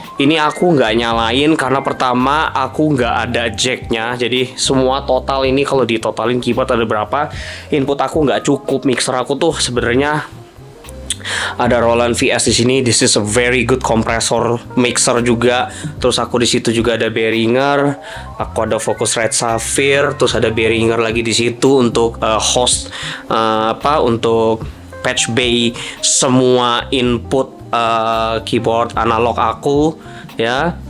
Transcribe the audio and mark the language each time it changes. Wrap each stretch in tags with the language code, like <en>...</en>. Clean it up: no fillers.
<id>ini aku nggak nyalain karena pertama aku nggak ada jacknya, jadi semua total ini kalau ditotalin keyboard ada berapa, input aku nggak cukup, mixer aku tuh sebenarnya ada Roland VS di sini.</id> <en>This is a very good compressor mixer</en> <id>juga. Terus aku di situ juga ada Behringer, aku ada Focusrite Sapphire, terus ada Behringer lagi di situ untuk host apa untuk patch bay semua input keyboard analog aku ya.</id>